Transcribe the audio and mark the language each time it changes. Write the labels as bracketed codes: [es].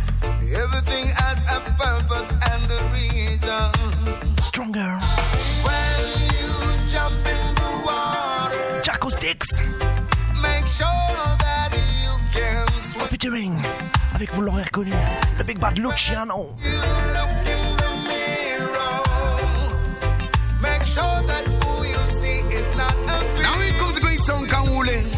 [en] Everything has a purpose and a reason. Stronger. When you jump in the water, Jaco Sticks. Make sure that you can swim. [fr] Featuring, avec vous l'aurez reconnu, le Big Bad Luciano. [en] You look in the mirror. Make sure that who you see is not a fear. Now we come to great song, Kamule.